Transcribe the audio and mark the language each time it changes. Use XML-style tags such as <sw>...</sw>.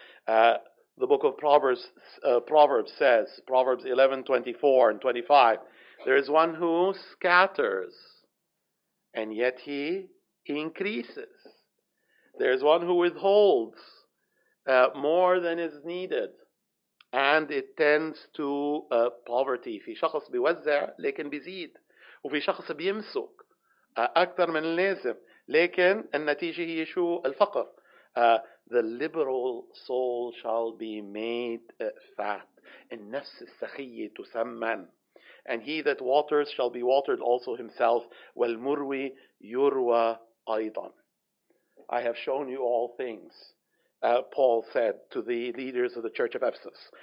<en>The book of Proverbs says, Proverbs 11, 24 and 25, there is one who scatters, and yet he increases. There is one who withholds more than is needed, and it tends to poverty.</en> <ar>في شخص بيوزع لكن بيزيد وفي شخص بيمسك أكثر من اللازم لكن النتيجة هي شو الفقر.</ar> <en>The liberal soul shall be made fat.</en> <ar>النفس السخية تسمن.</ar> <en>And he that waters shall be watered also himself.</en> <ar>والمروي يروى أيضا.</ar> <en>I have shown you all things, Paul said to the leaders of the church of Ephesus.</en>